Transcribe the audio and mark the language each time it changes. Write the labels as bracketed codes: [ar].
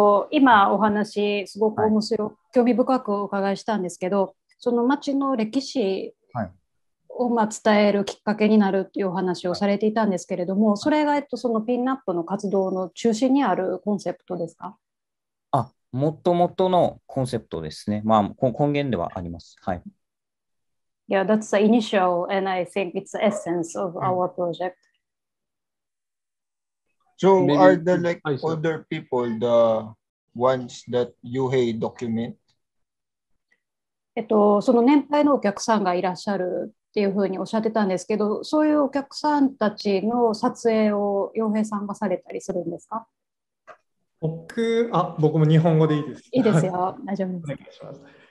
[ja] 今お話すごく面白い、はい、興味深くお伺いしたんですけど、その町の歴史を伝えるきっかけになるっていうお話をされていたんですけれども、はい、それがそのピンナップの活動の中心にあるコンセプトですか。あ、もともとのコンセプトですね。まあ根源ではあります。はい。 [en] Yeah, that's the initial, and I think it's the essence of our project. So are the like older people the ones that Yuhei document? [ja] その年配のお客さんがいらっしゃるっていうふうにおっしゃってたんですけど、そういうお客さんたちの撮影を Yuhei さんがされたりするんですか？僕も日本語でいいですか？いいですよ。大丈夫です。お願いします。